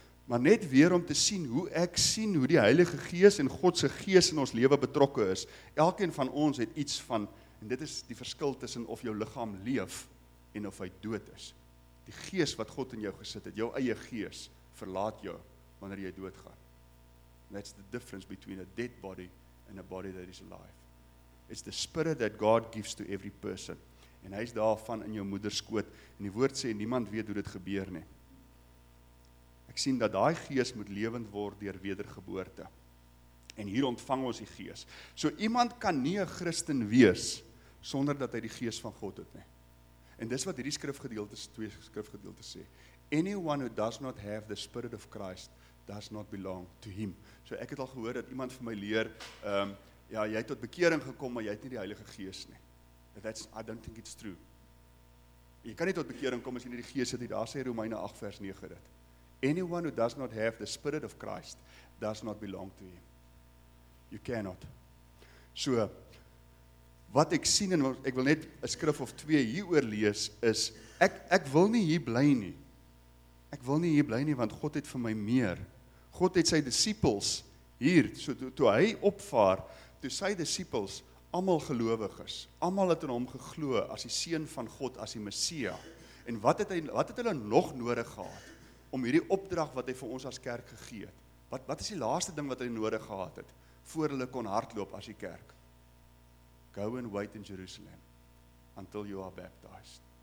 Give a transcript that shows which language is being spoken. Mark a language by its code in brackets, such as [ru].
[af] Maar net weer om te sien hoe ek sien hoe die Heilige Gees en God se Gees in ons lewe betrokke is. Elkeen van ons het iets van, en dit is die verskil tussen of jou liggaam leef en of hy dood is. Die gees wat God in jou gesit het, jou eie gees, verlaat jou wanneer jy doodgaan. [en] That's the difference between a dead body and a body that is alive. It's the spirit that God gives to every person. [af] En hy is daarvan in jou moederskoot. En die woord sê, niemand weet hoe dit gebeur nie. Ek sien dat daai gees moet lewend word deur wedergeboorte. En hier ontvang ons die gees. So iemand kan nie 'n Christen wees sonder dat hy die gees van God het nie. En dis wat hierdie twee skrifgedeeltes sê. [en] Anyone who does not have the Spirit of Christ does not belong to him. [af] So ek het al gehoor dat iemand vir my leer, jy het tot bekering gekom, maar jy het nie die Heilige Gees nie. [en] That's, I don't think it's true. [af] Jy kan nie tot bekering kom as jy nie die gees het nie. Daar sê Romeine 8 vers 9 dit. [en] Anyone who does not have the Spirit of Christ does not belong to him. You cannot. [af] So, wat ek sien, en ek wil net een skrif of twee hieroor lees, is, ek wil nie hier bly nie. Ek wil nie hier bly nie, want God het vir my meer. God het sy [en] disciples [af] hier, so toe hy opvaar, toe sy disciples, allemaal gelovig is, allemaal het in hom geglo, as die seun van God, as die Messia. En wat het hulle nog nodig gehad, om hierdie opdrag wat hy vir ons as kerk gegee het, wat is die laaste ding wat hy nodig gehad het, voor hulle kon hardloop as die kerk? [en] Go and wait in Jerusalem, until you are baptized.